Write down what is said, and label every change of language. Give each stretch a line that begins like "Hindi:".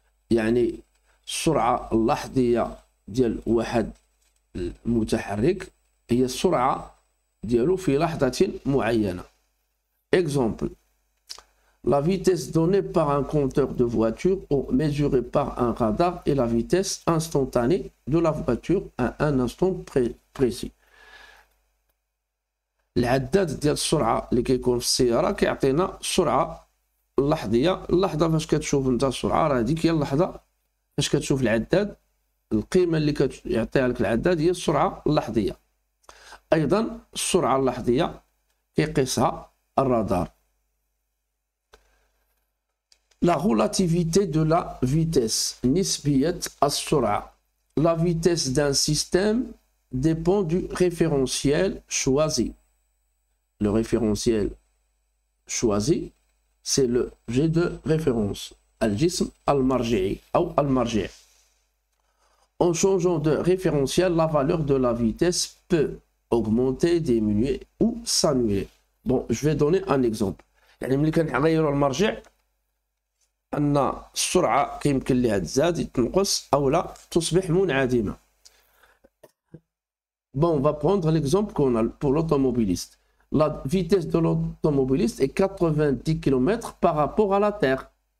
Arabic: Yani, sur'a al-lahdiya dial wahad al-mutaharrik, et sur'a ديالو في لحظة معينة. Exemple.
French: La vitesse donnée par un compteur de voiture ou mesurée par un radar est la vitesse instantanée de la voiture à un instant précis.
Arabic: العدد ديال السرعة اللي كيكون في السيارة كيعطينا السرعة اللحظية. اللحظة فاش كتشوف انت السرعة راه هذيك هي اللحظة فاش كتشوف العداد. القيمة اللي كيعطيها لك العداد هي السرعة اللحظية. ايضا السرعه اللحظيه يقيسها الرادار.
French: La relativité de la vitesse,
Arabic: نسبيه السرعه.
French: La vitesse d'un système dépend du référentiel choisi. Le référentiel choisi, c'est le g de référence,
Arabic: الجسم المرجعي او المرجع.
French: En changeant de référentiel, la valeur de la vitesse peut augmenter, diminuer ou s'annuler. Bon, je vais donner un exemple.
Arabic: يعني ملي كنغيروا المرجع ان السرعه كيمكن ليها تزاد تنقص او لا تصبح منعدمه.
French: Bon, on va prendre l'exemple qu'on a pour l'automobiliste. La vitesse de l'automobiliste est 90 km par rapport à la Terre.